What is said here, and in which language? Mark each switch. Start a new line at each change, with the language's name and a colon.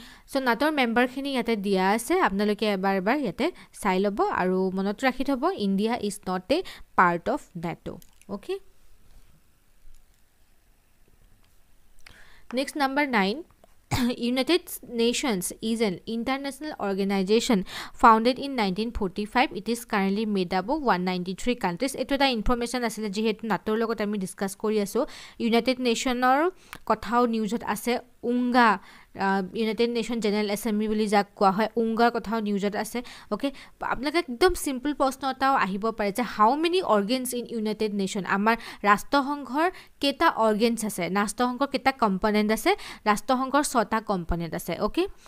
Assamese: চ' নাটোৰ মেম্বাৰখিনি ইয়াতে দিয়া আছে আপোনালোকে এবাৰ এবাৰ ইয়াতে চাই ল'ব আৰু মনত ৰাখি থ'ব
English: India is not a part of NATO
Assamese: okay next number 9
English: United Nations is an international organization founded in 1945. It is currently made up of 193 countries.
Assamese: এইটো এটা ইনফৰ্মেশ্যন আছিলে যিহেতু নাটোৰ লগত আমি ডিছকাছ কৰি আছোঁ ইউনাইটেড নেশ্যনৰ কথাও নিউজত আছে Unga United nation general assembly বুলি যাক কোৱা হয় উংগাৰ কথাও নিউজত আছে অ'কে আপোনালোকে একদম চিম্পল প্ৰশ্ন এটাও আহিব পাৰে যে
English: how many organs in United Nation
Assamese: আমাৰ ৰাষ্ট্ৰসংঘৰ কেইটা অৰ্গেনছ আছে ৰাষ্ট্ৰসংঘৰ কেইটা কম্পনেণ্ট আছে ৰাষ্ট্ৰসংঘৰ 6টা কম্পনেণ্ট আছে অ'কে